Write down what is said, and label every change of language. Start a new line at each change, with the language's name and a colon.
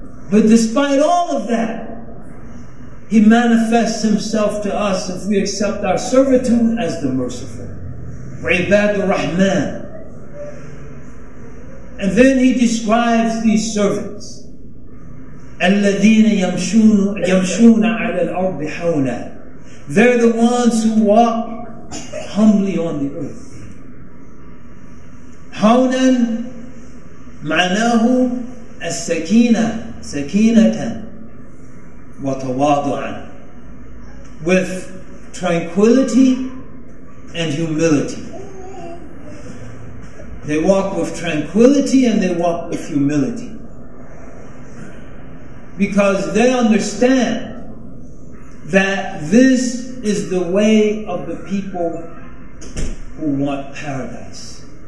English: But despite all of that, he manifests himself to us if we accept our servitude as the merciful.
Arabic: عباد الرحمن.
English: And then he describes these servants.
Arabic: الذين يمشون على الأرض حولا.
English: They're the ones who walk humbly on the earth.
Arabic: حولا معناه السكينة سكينة وتواضعا.
English: With tranquility and humility. They walk with tranquility and they walk with humility. Because they understand that this is the way of the people who want paradise.